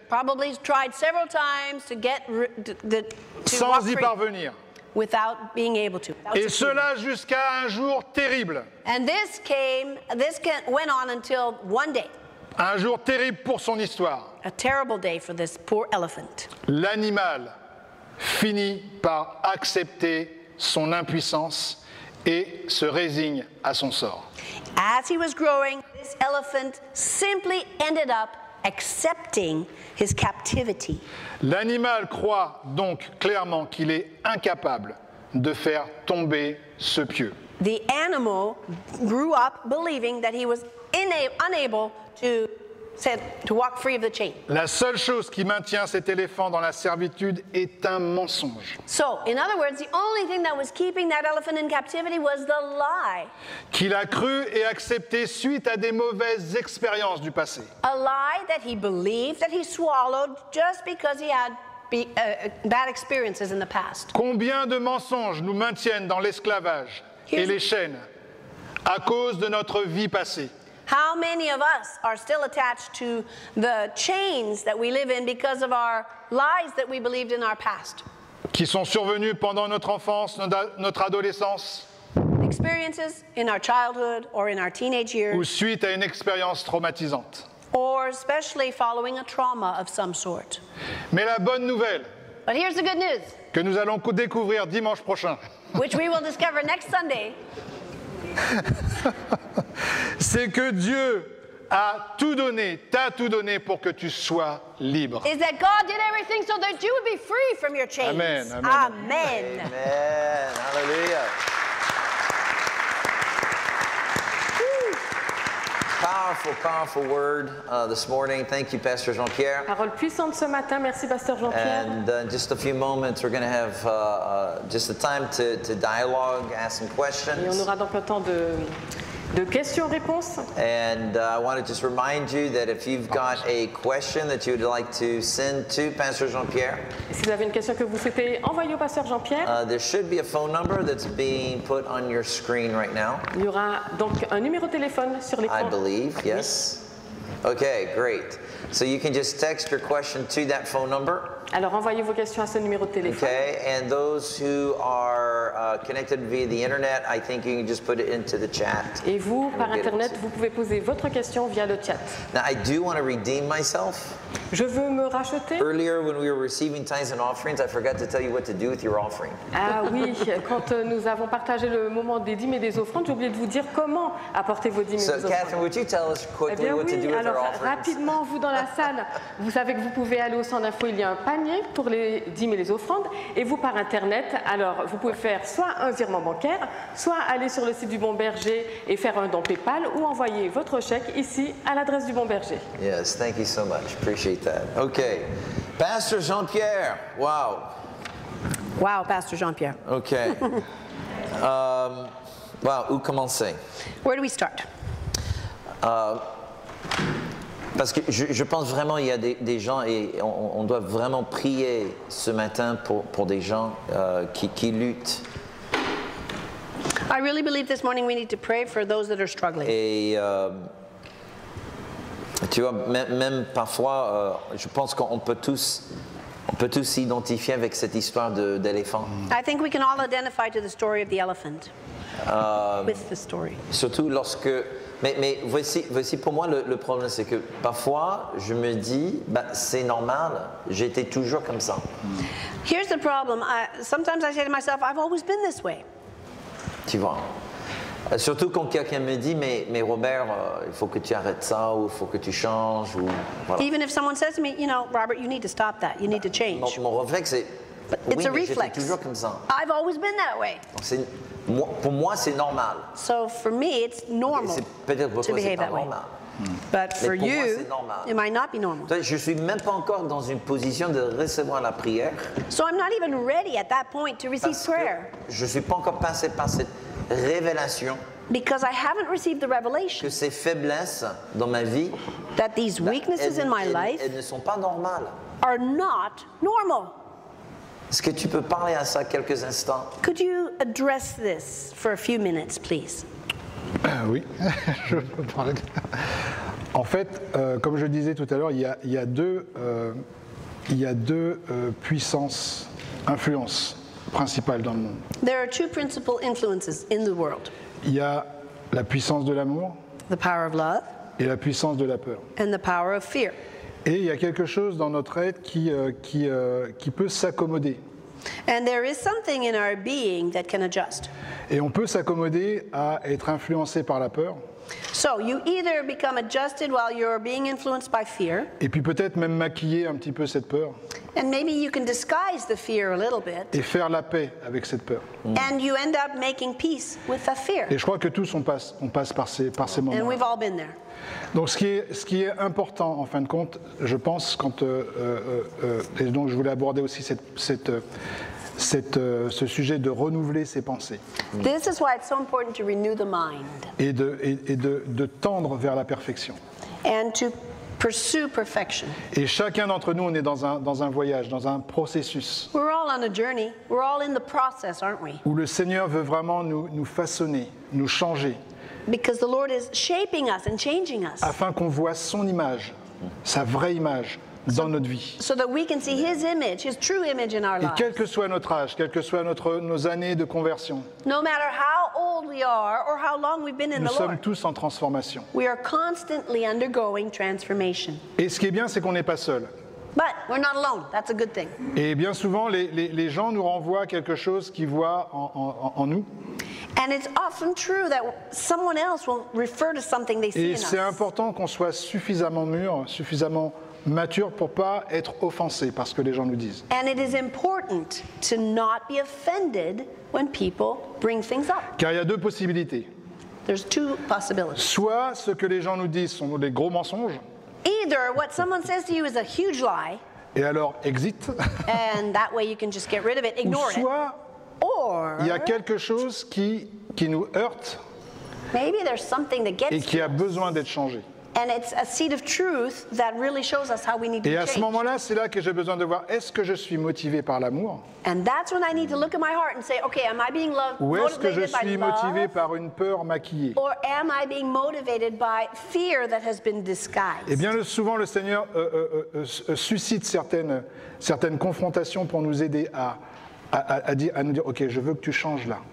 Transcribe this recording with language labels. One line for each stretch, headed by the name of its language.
English: Probably tried several times to get the to
French: sans y parvenir.
English: Without being able to.
French: Et cela jusqu'à un jour terrible.
English: And this went on until one day.
French: Un jour terrible pour son histoire.
English: A terrible day for this poor elephant.
French: L'animal finit par accepter son impuissance et se résigne à son sort.
English: As he was growing, this elephant simply ended up accepting his captivity.
French: L'animal croit donc clairement qu'il est incapable de faire tomber ce pieu.
English: The animal grew up believing that he was unable to walk free of the chain.
French: La seule chose qui maintient cet éléphant dans la servitude est un mensonge.
English: So, in other words, the only thing that was keeping that elephant in captivity was the lie.
French: Qu'il a cru et accepté suite à des mauvaises expériences du passé.
English: A lie that he believed that he swallowed just because he had bad experiences in the past.
French: Combien de mensonges nous maintiennent dans l'esclavage et les chaînes à cause de notre vie passée?
English: How many of us are still attached to the chains that we live in because of our lies that we believed in our past?
French: Qui sont survenus pendant notre enfance, notre adolescence?
English: Experiences in our childhood or in our teenage years.
French: Ou suite à une expérience traumatisante.
English: Or especially following a trauma of some sort.
French: Mais la bonne nouvelle.
English: But here's the good news.
French: Que nous allons découvrir dimanche prochain.
English: Which we will discover next Sunday.
French: C'est que Dieu a tout donné, t'a tout donné pour que tu sois libre.
English: Is that God did everything so that you would be free from your chains?
French: Amen.
English: Amen.
French: Amen. Amen. Alléluia.
English: Powerful, powerful word this morning. Thank you, Pastor Jean-Pierre.
French: Parole puissante ce matin. Merci, Pasteur Jean-Pierre.
English: And in just a few moments, we're going to have just the time to dialogue, ask some questions.
French: Et on aura donc le temps de de questions-réponses.
English: I want to just remind you that if you've got a question that you'd like to send to Pastor Jean-Pierre,
French: si vous avez une question que vous souhaitez envoyer au Pasteur Jean-Pierre,
English: there should be a phone number that's being put on your screen right now.
French: Il y aura donc un numéro de téléphone sur l'écran.
English: I believe, yes. Okay, great. So you can just text your question to that phone number.
French: Alors envoyez vos questions à ce numéro de téléphone.
English: Okay, and those who are connected via the internet, I think you can just put it into the chat.
French: Et vous, par internet, vous pouvez poser votre question via le chat.
English: Now I do want to redeem myself.
French: Je veux me racheter.
English: Earlier, when we were receiving tithes and offerings, I forgot to tell you what to do with your offering.
French: Ah oui, quand nous avons partagé le moment des dîmes et des offrandes, j'ai oublié de vous dire comment apporter vos dîmes et vos offrandes.
English: So Catherine, would you tell us quickly what to do with your offerings?
French: Eh bien oui, alors rapidement, vous dans la salle, vous savez que vous pouvez aller au centre d'info, il y a un panier pour les dîmes et les offrandes, et vous par internet, alors vous pouvez faire soit un virement bancaire, soit aller sur le site du Bon Berger et faire un don PayPal, ou envoyer votre chèque ici à l'adresse du Bon Berger.
English: Yes, thank you so much. Appreciate that. Okay. Pastor Jean-Pierre. Wow. Wow, Pastor Jean-Pierre. Okay.
French: Wow, où commencer?
English: Where do we start?
French: Parce que je pense vraiment il y a des gens et on doit vraiment prier ce matin pour des gens qui luttent.
English: I really believe this morning we need to pray for those that are struggling.
French: Tu vois, même parfois, je pense qu'on peut tous s'identifier avec cette histoire d'éléphant.
English: I think we can all identify to the story of the elephant. With the story.
French: Surtout lorsque... Mais voici pour moi le problème, c'est que parfois, je me dis, bah, c'est normal, j'étais toujours comme ça.
English: Here's the problem. Sometimes I say to myself, I've always been this way.
French: Tu vois. Surtout quand quelqu'un me dit, mais Robert, il faut que tu arrêtes ça, ou il faut que tu changes, ou voilà.
English: Even if someone says to me, you know, Robert, you need to stop that, you need to change.
French: Mon réflexe, c'est, oui,
English: it's a reflex.
French: J'étais toujours comme ça.
English: I've always been that way.
French: Pour moi, c'est normal.
English: So for me, it's normal okay,
French: peut-être
English: to behave
French: c'est pas
English: that way.
French: Normal.
English: But for you,
French: moi,
English: it might not be normal.
French: Je suis même pas encore dans une position de recevoir la prière.
English: So I'm not even ready at that point to receive
French: parce
English: prayer.
French: Je suis pas encore passé par cette révélation.
English: Because I haven't received the revelation.
French: Que ces faiblesses dans ma vie.
English: That these weaknesses
French: elles,
English: in my life.
French: Elles ne sont pas normales.
English: Are not normal.
French: Est-ce que tu peux parler à ça quelques instants?
English: Could you address this for a few minutes, please?
French: Oui, je peux parler. En fait, comme je disais tout à l'heure, il y a deux puissances, influences principales dans le monde.
English: There are two principal influences in the world.
French: Il y a la puissance de l'amour.
English: The power of love.
French: Et la puissance de la peur.
English: And the power of fear.
French: Et il y a quelque chose dans notre être qui peut s'accommoder.
English: And there is something in our being that can adjust.
French: Et on peut s'accommoder à être influencé par la peur.
English: So you either become adjusted while you're being influenced by fear.
French: Et puis peut-être même maquiller un petit peu cette peur.
English: And maybe you can disguise the fear a little bit.
French: Et faire la paix avec cette peur. Mm.
English: And you end up making peace with the fear.
French: Et je crois que tous on passe par ces moments.
English: And we've all been there.
French: Donc ce qui est important en fin de compte, je pense quand et donc je voulais aborder aussi ce sujet de renouveler ses pensées.
English: This is why it's so important to renew the mind.
French: Et de tendre vers la perfection.
English: And to pursue perfection.
French: Et chacun d'entre nous, on est dans un voyage, dans un processus.
English: We're all on a journey. We're all in the process, aren't we?
French: Où le Seigneur veut vraiment nous façonner, nous changer.
English: Because the Lord is shaping us and changing us.
French: Afin qu'on voit son image, sa vraie image. Dans notre vie.
English: So that we can see his image, his true image in our lives.
French: Et quel que soit notre âge, quelles que soient nos années de conversion.
English: No matter how old we are or how long we've been in the Lord.
French: Nous sommes tous en transformation.
English: We are constantly undergoing transformation.
French: Et ce qui est bien, c'est qu'on n'est pas seul.
English: But we're not alone. That's a good thing.
French: Et bien souvent, les gens nous renvoient quelque chose qu'ils voient en nous.
English: And it's often true that someone else will refer to something they see
French: Et
English: in us.
French: Et c'est important qu'on soit suffisamment mûr, suffisamment mature pour pas être offensé par ce que les gens nous disent.
English: And it is important to not be offended when people bring things up.
French: Car il y a deux possibilités.
English: There's two possibilities.
French: Soit ce que les gens nous disent sont des gros mensonges.
English: Either what someone says to you is a huge lie.
French: Et alors exit.
English: And that way you can just get rid of it, ignore it.
French: Soit
English: or
French: il y a quelque chose qui nous heurte.
English: Maybe there's something that gets
French: et qui a besoin d'être changé.
English: And it's a seed of truth that really shows us how we need to change.
French: Et à ce moment-là, c'est là que j'ai besoin de voir est-ce que je suis motivé par l'amour?
English: And that's when I need to look at my heart and say, okay, am I being loved?
French: Ou est-ce que je suis motivé par une peur maquillée?
English: Or am I being motivated by fear that has been disguised?
French: Eh bien, souvent le Seigneur suscite certaines confrontations pour nous aider à nous dire, ok, je veux que tu changes là.